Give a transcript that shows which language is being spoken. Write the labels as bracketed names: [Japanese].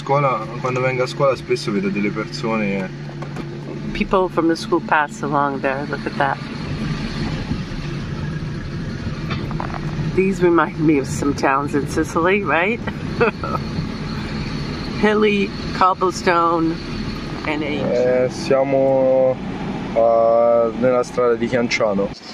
[Italian] Quando vengo a scuola spesso vedo delle persone. [English] People from the school pass along there. Look at that. These remind me of some towns in Sicily, right? Hilly, cobblestone, and age. [Italian] Siamo nella strada di Chianciano.